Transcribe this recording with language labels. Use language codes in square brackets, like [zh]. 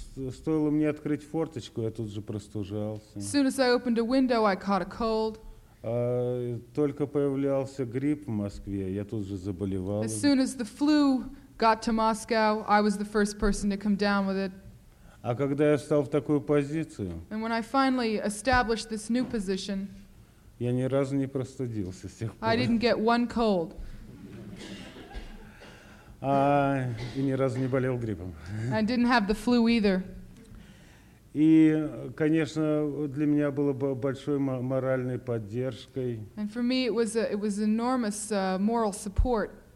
[ru] Стоило мне открыть форточку, я тут же простужался. [en] As soon as I opened a window, I caught a cold. [ru] Только появлялся грипп в Москве, я тут же заболевал. [en] As soon as the flu got to Moscow, I was the first person to come down with it. [ru] А когда я встал в такую позицию? [en] And when I finally established this new position. [ru] Я ни разу не простудился с тех пор. [en] I didn't get one cold. [ru] И ни разу не болел гриппом. [en] I didn't have the flu either. [ru] И, конечно, для меня было бы большой моральной поддержкой. [en] And for me it was enormous moral support.